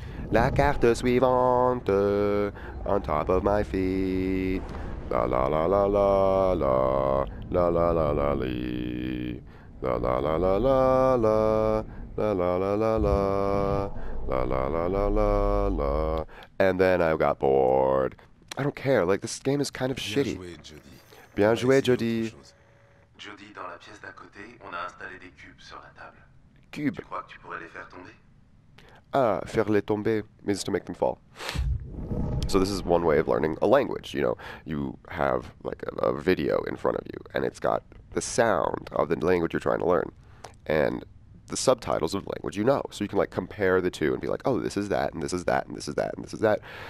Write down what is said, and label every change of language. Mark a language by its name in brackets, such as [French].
[French] La carte suivante, [English] on top of my feet. La la la la la la la la la la la la la la la la la la la la la la la la la la la la. And then I got bored. I don't care, like, this game is kind of [French] Bien [English] shitty. [French] Joué, Jody. Bien joué, Jody. Jody, dans la pièce d'à côté, on a installé des cubes sur la table. Cube? Tu crois que tu pourrais les faire tomber? [English] Ah, [French] faire les tomber [English] means to make them fall. So this is one way of learning a language, you know. You have, like, a video in front of you, and it's got the sound of the language you're trying to learn. And the subtitles of the language you know. So you can, like, compare the two and be like, oh, this is that, and this is that, and this is that, and this is that.